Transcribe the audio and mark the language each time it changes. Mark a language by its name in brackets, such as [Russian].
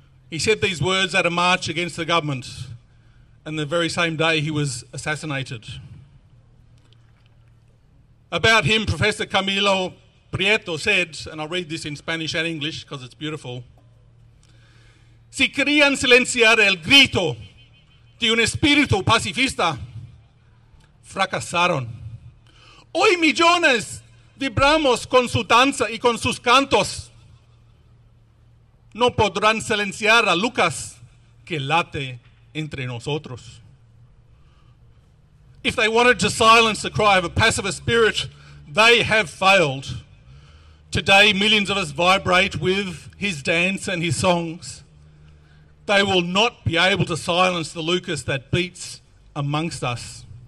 [English] He said these words at a march against the government, and the very same day he was assassinated. About him, Professor Camilo Prieto said, and I'll read this in Spanish and English because it's beautiful. [Spanish] "Si querían silenciar el grito de un espíritu pacifista, fracasaron. Hoy millones vibramos con su danza y con sus cantos. No podrán silenciar a Lucas que late entre nosotros." [English] If they wanted to silence the cry of a pacifist spirit, they have failed. Today, millions of us vibrate with his dance and his songs. They will not be able to silence the Lucas that beats amongst us.